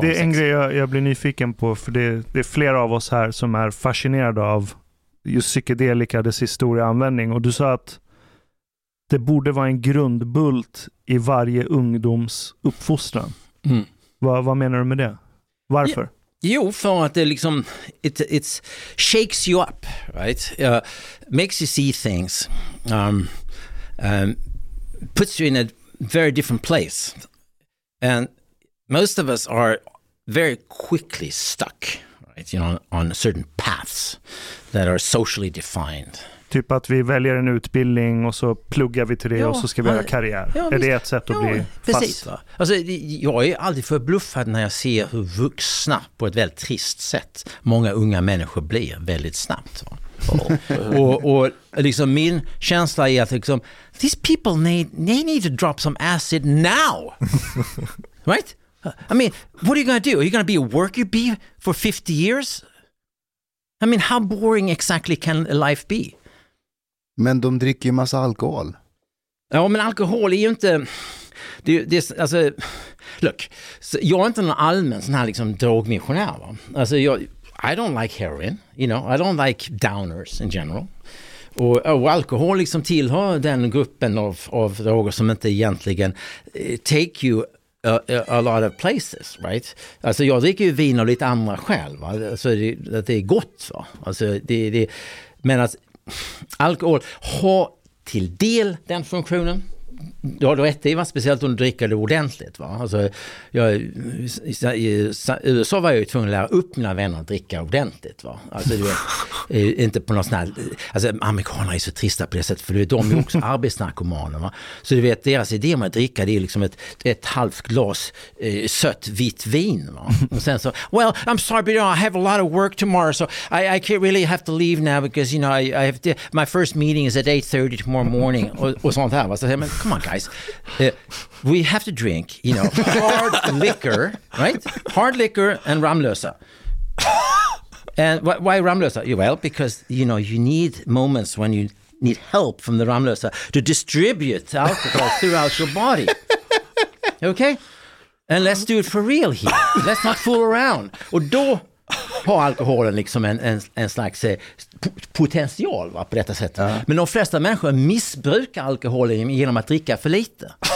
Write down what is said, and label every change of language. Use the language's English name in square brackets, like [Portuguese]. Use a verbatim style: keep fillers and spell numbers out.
[Swedish] det är en grej jag, jag blir nyfiken på, för det, det är flera av oss här som är fascinerade av just psykedelika, dess historieanvändning, och du sa att det borde vara en grundbult i varje ungdoms uppfostran. Mm. Va, vad menar du med det? Varför? Ja. Jo, för att det liksom [English] it, it shakes you up, right? Uh, makes you see things. Um, um, puts you in a very different place. And most of us are very quickly stuck, right? You know, on certain paths that are socially defined. [Swedish] Typ att vi väljer en utbildning och så pluggar vi till det, ja, och så ska vi göra karriär. Ja, är det ett sätt att, ja, bli fast? Precis. Alltså, jag är alltid förbluffad när jag ser hur vuxna på ett väldigt trist sätt många unga människor blir väldigt snabbt. och, och liksom min känsla är att liksom, [English] these people need, they need to drop some acid now. Right? I mean, what are you going to do? Are you going to be a worker bee for fifty years? I mean, how boring exactly can life be? [Swedish] Men de dricker ju massa alkohol. Ja, men alkohol är ju inte... Det, det, alltså, [English] look, [Swedish] jag är inte någon allmän sån här liksom drogmissionär. Va? Alltså, jag, [English] I don't like heroin, you know, I don't like downers in general. [Swedish] Och, och alkohol liksom tillhör den gruppen av, av droger som inte egentligen [English] take you a, a, a lot of places, right? [Swedish] Alltså, jag dricker ju vin av lite andra skäl, va? Alltså, det, att det är gott, va? Alltså, det, det, men att alkohol har till del den funktionen. Du har rätt i, va? Speciellt om du dricker det ordentligt. Va? Alltså, jag, i U S A var jag ju tvungen att lära upp mina vänner att dricka ordentligt. Va? Alltså, du är, inte på någon sån här, alltså, amerikaner är så trista på det sättet, för de är också arbetsnarkomaner. Va? Så du vet, deras idé om att dricka, det är liksom ett, ett halvt glas eh, sött vitt vin. Va? [English] Och sen så, well, I'm sorry, but you know, I have a lot of work tomorrow, so I, I can't really have to leave now because, you know, I, I have to, my first meeting is at eight thirty tomorrow morning, [Swedish] och, och sånt här. Va? Så, men, [English] come on, guys. Uh, we have to drink, you know, hard liquor, right? Hard liquor and Ramlösa. And wh- why Ramlösa? Well, because, you know, you need moments when you need help from the Ramlösa to distribute alcohol throughout your body. Okay? And let's do it for real here. Let's not fool around. [Swedish] Och då har alkoholen liksom en, en, en slags eh, potential, va, på detta sättet. Uh-huh. Men de flesta människor missbrukar alkoholen genom att dricka för lite.